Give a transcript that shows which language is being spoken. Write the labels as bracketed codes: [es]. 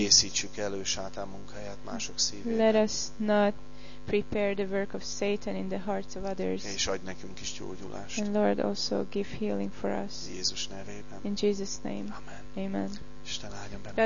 [hu] készítsük elő Sátán munkáját mások szívében. [en] Let us not prepare the work of Satan in the hearts of others. [hu] És adj nekünk is gyógyulást. [en] And Lord, also give healing for us. [hu] Jézus nevében. [en] In Jesus' name. [hu] Amen. [en] Amen. [hu] Isten áldjon benneteket.